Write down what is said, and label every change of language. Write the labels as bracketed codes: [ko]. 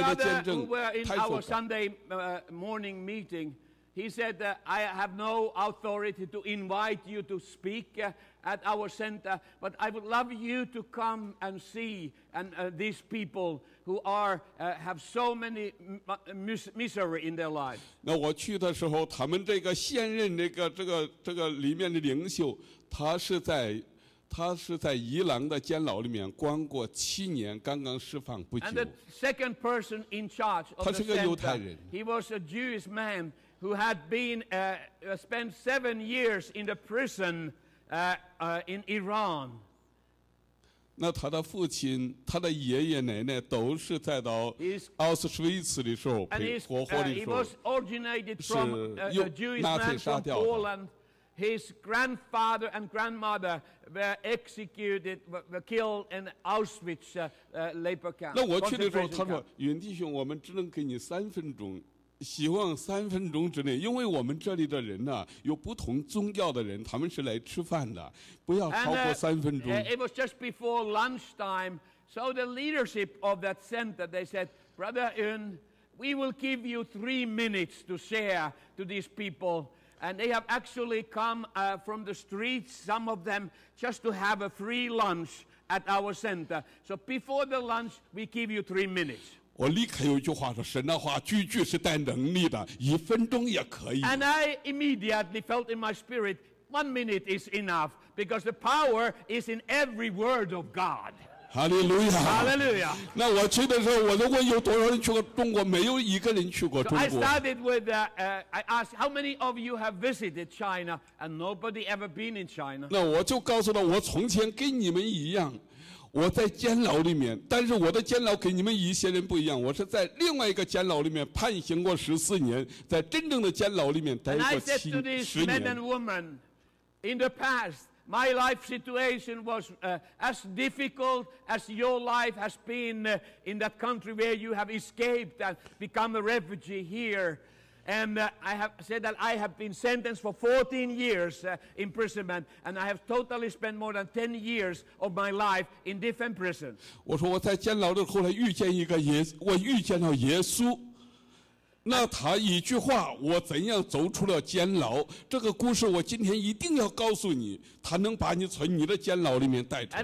[en] And this brother who were in our Sunday morning meeting. He said, I have no authority to invite you to speak at our center, but I would love you to come and see and these people who are have so many misery in their lives. [zh] 那我去的时候，他们这个现任这个里面的领袖，他是在。他是在宜兰的监牢里面关过七年，刚刚释放不久。 [en] And the second person in charge of the center, [zh] 他是个犹太人。 [en] He was a Jewish man who had been spent 7 years in the prison in Iran. [zh] 那他的父亲、他的爷爷奶奶都是在到奥斯维茨的时候被活活的时候，是由纳粹杀掉的。 [en] He was originated from a Jewish man from Poland. His grandfather and grandmother were executed, were killed in Auschwitz labor camp. [zh] 那我去的时候，他说：“云弟兄，我们只能给你三分钟，希望三分钟之内，因为我们这里的人呢、啊，有不同宗教的人，他们是来吃饭的，不要超过三分钟。” [en] It was just before lunchtime, so the leadership of that center they said, "Brother Yun, we will give you 3 minutes to share to these people." And they have actually come from the streets, some of them, just to have a free lunch at our center. So before the lunch, we give you 3 minutes. [zh] 我立刻有一句话说，神的话句句是带能力的，一分钟也可以。 [en] And I immediately felt in my spirit, 1 minute is enough, because the power is in every word of God. [zh] 哈利路亚！哈利路亚！那我去的时候，我都问有多少人去过中国，没有一个人去过中国。 [en] So、I started with, I asked how many of you have visited China, and nobody ever been in China. [zh] 那我就告诉他，我从前跟你们一样，我在监牢里面，但是我的监牢跟你们一些人不一样，我是在另外一个监牢里面判刑过14年，在真正的监牢里面待过七十年。 [en] And I said to these men and women, in the past. My life situation was as difficult as your life has been in that country where you have escaped and become a refugee here. And I have said that I have been sentenced for 14 years imprisonment, and I have totally spent more than 10 years of my life in different prisons. [zh] 我说我在监牢的后来遇见一个耶稣，我遇见了耶稣。那他一句话，我怎样走出了监牢？这个故事我今天一定要告诉你，他能把你从你的监牢里面带出来。